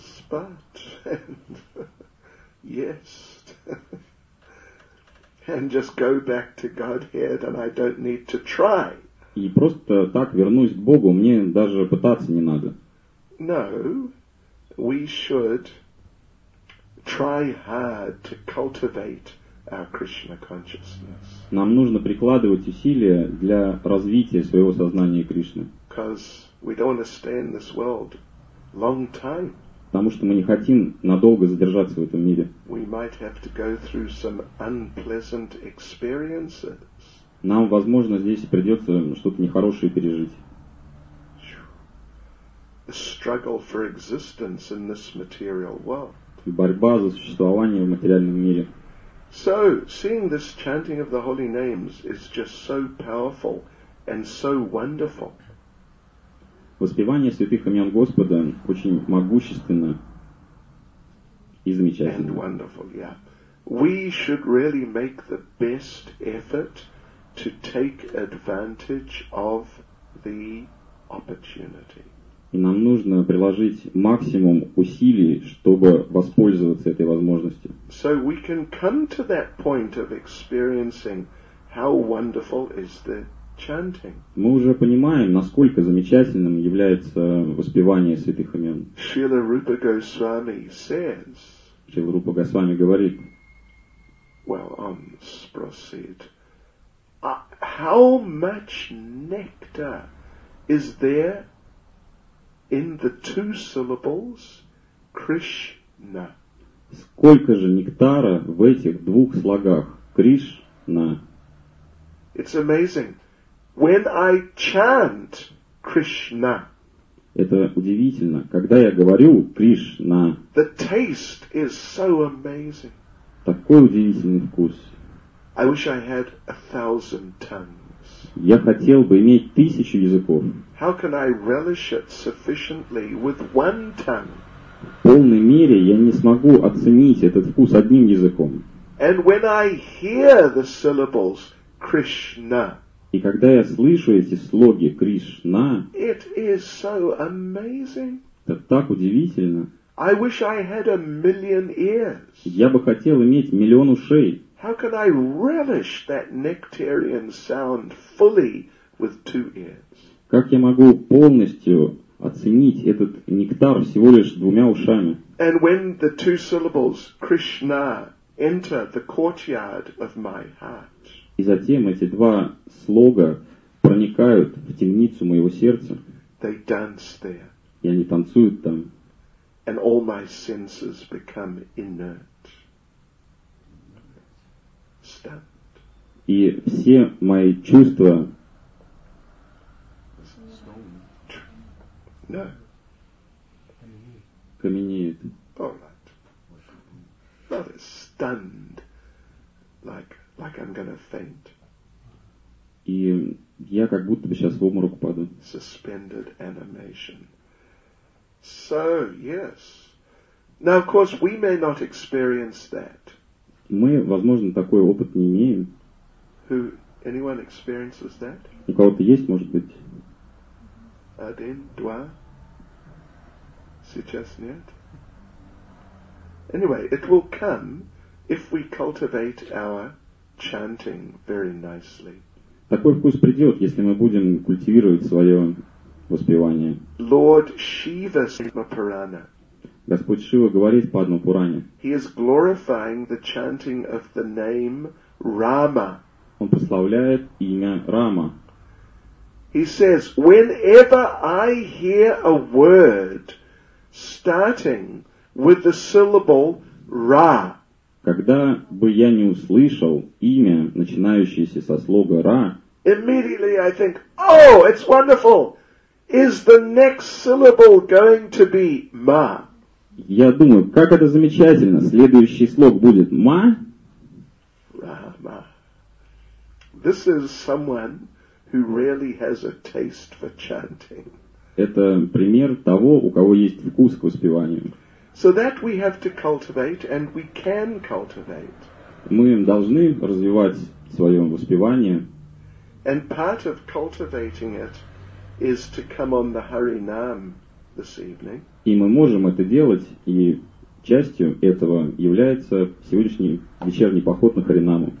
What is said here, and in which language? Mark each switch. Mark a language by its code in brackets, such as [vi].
[en] But and yes, and just go back to Godhead, and I don't need to try. [ru] И просто так вернусь к Богу, мне даже пытаться не надо. [en] No, we should try hard to cultivate our Krishna consciousness. [ru] Нам нужно прикладывать усилия для развития своего сознания Кришны. [en] Because we don't want to stay in this world long time. [ru] Потому что мы не хотим надолго задержаться в этом мире. [en] We might have to go through some unpleasant experiences. [ru] Нам, возможно, здесь придется что-то нехорошее пережить. [en] Struggle for existence in this material world. [ru] Борьба за существование в материальном мире. [en] So, seeing this chanting of the holy names is just so powerful and so wonderful. [ru] Воспевание святых имен Господа очень могущественно и замечательно. [en] And wonderful, yeah. We should really make the best effort to take advantage of the opportunity. [ru] И нам нужно приложить максимум усилий, чтобы воспользоваться этой возможностью. [en] So we can come to that point of experiencing how wonderful is the chanting. [ru] Мы уже понимаем, насколько замечательным является воспевание святых имен. [en] Шрила Рупа Госвами says. [ru] Шрила Рупа Госвами говорит. Well, он спросит. [en] How much nectar is there in the two syllables Krishna? [ru] Сколько же нектара в этих двух слогах Кришна? [en] It's amazing. When I chant Krishna, [ru] это удивительно, когда я говорю Кришна. [en] The taste is so amazing. [ru] Такой удивительный вкус. [en] I wish I had 1,000 tongues. [ru] Я хотел бы иметь 1,000 языков. [en] How can I relish it sufficiently with one tongue? [ru] В полной мере я не смогу оценить этот вкус одним языком. [en] And when I hear the syllables Krishna. [ru] И когда я слышу эти слоги Кришна, [en] it is so amazing. [ru] Это так удивительно. [en] I wish I had a million ears. [ru] Я бы хотел иметь 1,000,000 ушей. [en] How can I relish that nectarian sound fully with 2 ears? [ru] Как я могу полностью оценить этот нектар всего лишь 2 ушами? [en] And when the 2 syllables Krishna enter the courtyard of my heart. [ru] И затем эти 2 слога проникают в темницу моего сердца. [en] They dance there. [ru] И они танцуют там. [en] And all my senses become inert. Stunned. [ru] И все мои чувства... [en] No. [ru] Каменеют. [en] All right. Not stunned. Like I'm gonna faint. [ru] И я как будто бы сейчас в обморок упаду. [en] Suspended animation. So, yes. Now, of course, we may not experience that. [ru] Мы, возможно, такой опыт не имеем. [en] Who, anyone experiences that? [ru] У кого-то есть, может быть? Один, два. Сейчас нет. [en] Anyway, it will come if we cultivate our chanting very nicely. [ru] Такой вкус придет, если мы будем культивировать свое воспевание. [en] Lord Shiva Padma Purana. [ru] Господь Шива говорит в Падма Пуране. [en] He is glorifying the chanting of the name Rama. [ru] Он прославляет имя Рама. [en] He says, whenever I hear a word starting with the syllable Ra. [ru] Когда бы я не услышал имя, начинающееся со слога Ра, [en] immediately I think, oh, it's wonderful. Is the next syllable going to be Ma? [ru] Я думаю, как это замечательно. Следующий слог будет Ma. [en] Rama. This is someone who really has a taste for chanting. [ru] Это пример того, у кого есть вкус к воспеванию. [en] So that we have to cultivate and we can cultivate. [ru] Мы должны развивать своё воспевание. [en] And part of cultivating it is to come on the Harinam this evening. [ru] И мы можем это делать, и частью этого является сегодняшний вечерний поход на Харинаму.